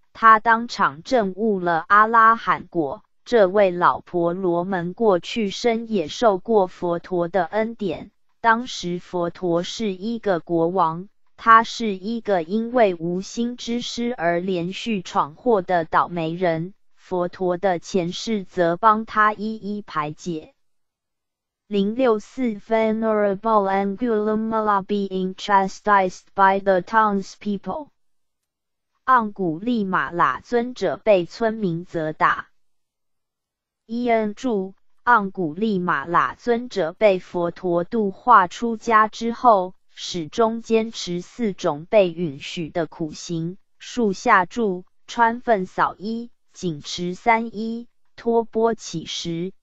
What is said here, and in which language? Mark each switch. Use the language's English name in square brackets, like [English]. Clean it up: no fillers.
[Chinese] 他当场证悟了阿拉罕果。这位老婆罗门过去生也受过佛陀的恩典，当时佛陀是一个国王，他是一个因为无心之失而连续闯祸的倒霉人，佛陀的前世则帮他一一排解。 [English] 064 Venerable Angula Mala being chastised by the townspeople. [Chinese] 盎古利马喇尊者被村民责打。伊恩注：盎古利马喇尊者被佛陀度化出家之后，始终坚持四种被允许的苦行：树下住、穿粪扫衣、紧持三衣、托钵乞食。